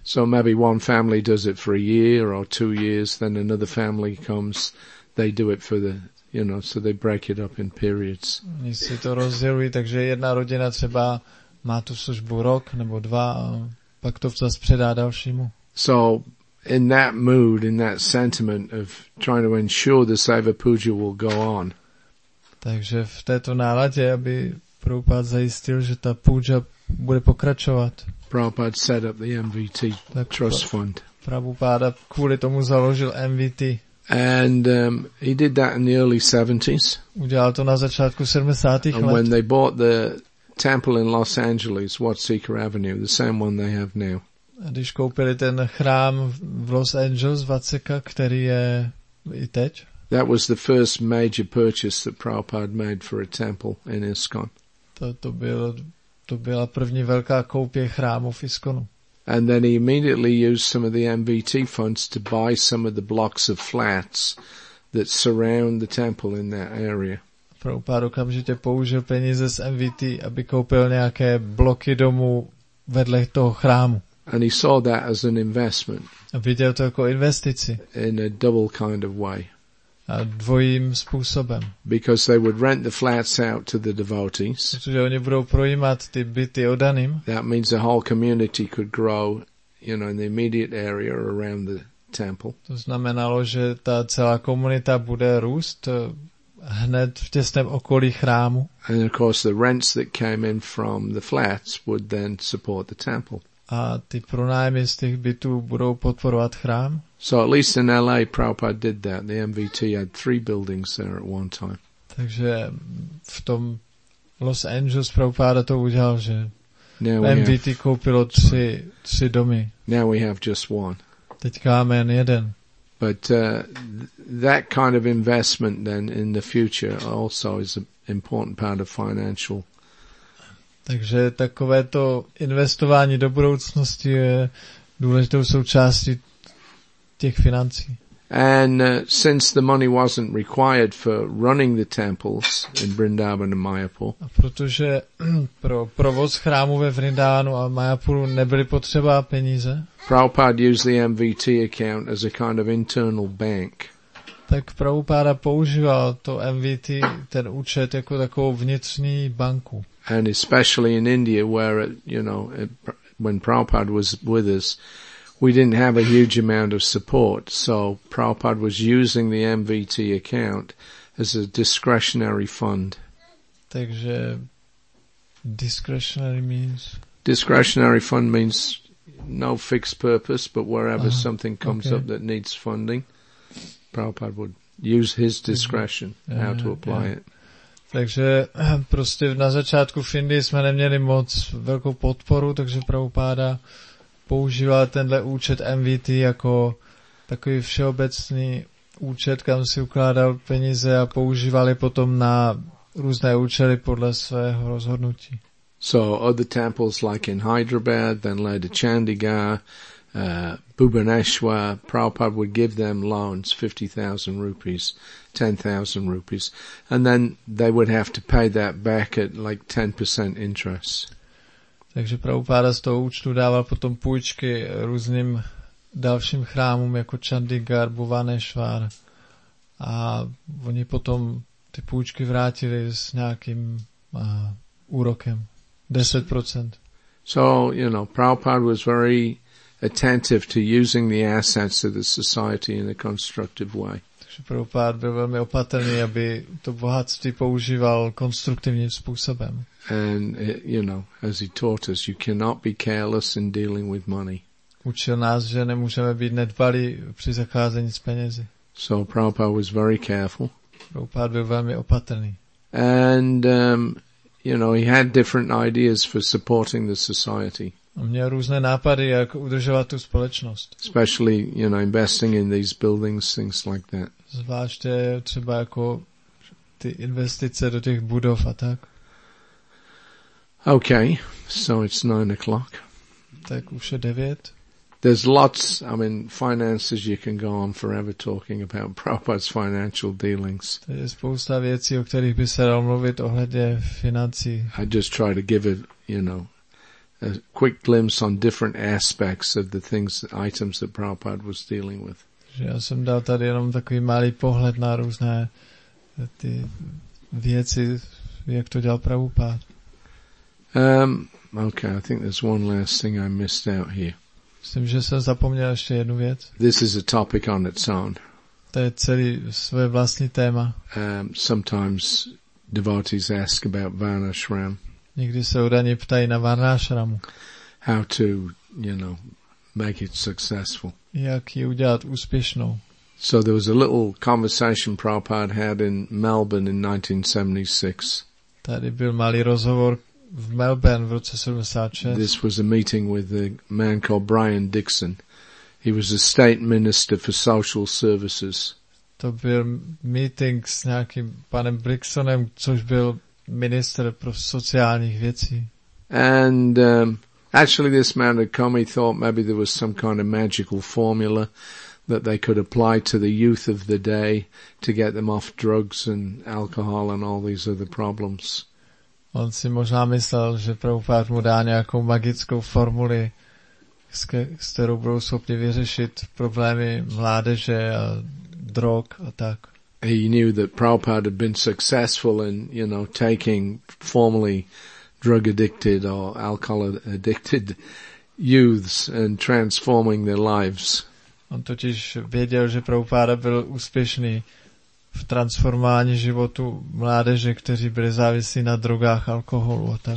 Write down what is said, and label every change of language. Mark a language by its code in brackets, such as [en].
[en] So maybe one family does it for a year or 2 years, then another family comes, they do it for the, you know, so they break it up in periods. [cs] Oni si to rozdělují, takže jedna rodina třeba má tu službu rok nebo dva a pak to zase předá dalšímu. [en] So in that mood, in that sentiment of trying to ensure the Saiva Puja will go on. [cs] Takže v této náladě, aby Prabhupada zajistil, že ta puja bude pokračovat. [en] Prabhupada set up the MVT trust fund. [cs] Prabhupada kvůli tomu založil MVT. [en] And he did that in the early 70s. [cs] Udělal to na začátku 70. [en] And when they bought the temple in Los Angeles, Wat Seeker Avenue, the same one they have now. [cs] A když koupili ten chrám v Los Angeles, Vatseka, který je i teď. [en] That was the first major purchase that Prabhupada made for a temple in ISKCON. [cs] To byla první velká koupě chrámu v ISKCONu. [en] And then he immediately used some of the MVT funds to buy some of the blocks of flats that surround the temple in that area. [cs] Prabhupada okamžitě použil peníze z MVT, aby koupil nějaké bloky domů vedle toho chrámu. [en] And he saw that as an investment. [cs] A viděl to jako investici. [en] In a double kind of way. [cs] A dvojím způsobem. [en] Because they would rent the flats out to the devotees. [cs] Protože oni budou projímat ty byty oddaným. [en] That means the whole community could grow, you know, in the immediate area around the temple. [cs] To znamenalo, že ta celá komunita bude růst hned v těsném okolí chrámu. [en] And of course the rents that came in from the flats would then support the temple. [cs] A ty pronájmy z těch bytů budou podporovat chrám. [en] So at least in LA, Prabhupada did that. The MVT had 3 buildings there at one time. [cs] Takže v tom Los Angeles Prabhupada to udělal, že MVT koupilo 3 domy. [en] Now we have just one. [cs] Teďka máme jen jeden. [en] But that kind of investment then in the future also is an important part of financial. [cs] Takže takovéto investování do budoucnosti je důležitou součástí těch financí. [en] And since the money wasn't required for running the temples in Vrindavan and Mayapur. [cs] A protože pro provoz chrámu ve Vrindavanu a Mayapuru nebyly potřeba peníze. [en] Prabhupada used the MVT account as a kind of internal bank. [cs] Tak Prabhupada používal to MVT, ten účet, jako takovou vnitřní banku. [en] And especially in India, where it, you know, it, when Prabhupada was with us, we didn't have a huge amount of support. So Prabhupada was using the MVT account as a discretionary fund. [cs] Takže [en] discretionary means? Discretionary fund means no fixed purpose, but wherever something comes up that needs funding, Prabhupada would use his discretion how to apply it. [cs] Takže prostě na začátku v Indii jsme neměli moc velkou podporu, takže Prabhupada používá tenhle účet MVT jako takový všeobecný účet, kam si ukládal peníze a používali potom na různé účely podle svého rozhodnutí. [en] So other temples like in Hyderabad, then later Chandigarh, Bhubaneswar, Prabhupada would give them loans, 50,000 rupees, 10,000 rupees, and then they would have to pay that back at like 10% interest. [cs] Takže Prabhupada z toho účtu dával potom půjčky různým dalším chrámům jako Chandigarh, Bhubaneswar a oni potom ty půjčky vrátili s nějakým úrokem, 10%. [en] So, you know, Prabhupada was very attentive to using the assets of the society in a constructive way. [cs] Takže Prabhupada byl velmi opatrný, aby to bohatství používal konstruktivním způsobem. [en] And you know, as he taught us, you cannot be careless in dealing with money. [cs] Učil nás, že nemůžeme být nedbalí při zacházení s penězi. [en] So Prabhupada was very careful. [cs] Prabhupada byl velmi opatrný. [en] And you know, he had different ideas for supporting the society. [cs] On měl různé nápady, jak udržovat tu společnost. [en] Especially, you know, investing in these buildings, things like that. [cs] Zvláště třeba jako ty investice do těch budov a tak. [en] Okay, so it's 9 o'clock. [cs] Tak už je 9. [en] There's lots, I mean, finances, you can go on forever talking about Prabhupada's financial dealings. [cs] Tady je spousta věcí, o kterých by se dal mluvit ohledně financí. [en] I just try to give it, you know, a quick glimpse on different aspects of the things, items that Prabhupada was dealing with. [cs] Já jsem dal tady jenom takový malý pohled na různé ty věci, jak to dělal Prabhupada. [en] Okay, I think there's one last thing I missed out here. [cs] Myslím, že jsem zapomněl ještě jednu věc. [en] This is a topic on its own. [cs] To je celý svoje vlastní téma. [en] Sometimes devotees ask about Varnashram. [cs] Někdy se udaně ptají na Varnashramu. [en] How to, you know, make it successful. [cs] Jak ji udělat úspěšnou. [en] So there was a little conversation Prabhupada had in Melbourne in 1976. [cs] Tady byl malý rozhovor v Melbourne v roce 76. [en] This was a meeting with a man called Brian Dixon. He was a state minister for social services. [cs] To byl meeting s nějakým panem Dixonem, což byl minister pro sociálních věcí. [en] And actually this man had come, he thought maybe there was some kind of magical formula that they could apply to the youth of the day to get them off drugs and alcohol and all these other problems. [cs] On si možná myslel, že Prabhupád mu dá nějakou magickou formuli, s kterou budou schopni vyřešit problémy mládeže a drog a tak. [en] He knew that Prabhupád had been successful in, you know, taking formerly drug addicted or alcohol addicted youths and transforming their lives. [cs] On totiž věděl, že Prabhupád byl úspěšný v transformování životu mládeže, kteří byli závislí na drogách, alkoholu a tak.